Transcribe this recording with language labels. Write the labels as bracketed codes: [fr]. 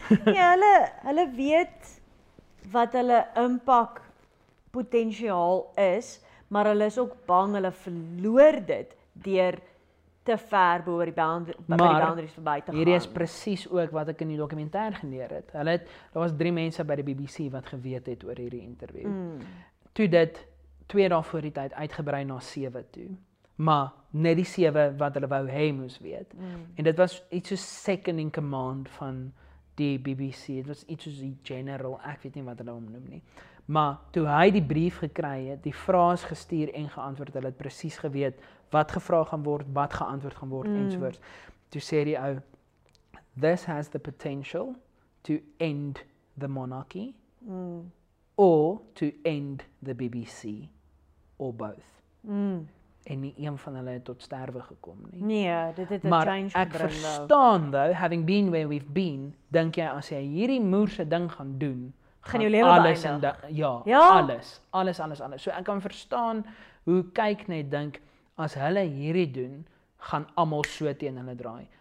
[af] Ja, hulle weet wat hulle impak potensiaal is, maar hulle is ook bang hulle verloor dit deur te ver bo oor die boundaries verby te gaan. Hierdie is presies ook wat ek in die dokumentêr geneer het. Daar was 3 mense by die BBC wat geweet het oor hierdie interview. Mm. Toe dit 2 dae voor die tyd uitgebrei na 7 toe. Maar net die 7 wat hulle wou hê moes weet. Mm. En dit was iets soos second in command van die BBC. Dit was iets soos die general, ek weet nie wat hulle hom noem nie. Maar toe hy die brief gekry het, die vrae is gestuur en geantwoord, hy het presies geweet wat gevra gaan word, wat geantwoord gaan word, enzovoorts. Toe sê die ou, [en] this has the potential to end the monarchy, or to end the BBC, or both. [af] En nie een van hulle het tot sterwe gekom nie. Nee, dit het 'n change gebring. Maar ek verstaan, [en] though, having been where we've been, [af] dink jy, as jy hierdie moerse ding gaan doen, gaan jou lewe alles beëindig. Alles. So ek kan verstaan, hoe kyk net, dink, as hulle hierdie doen, gaan almal so teen hulle draai.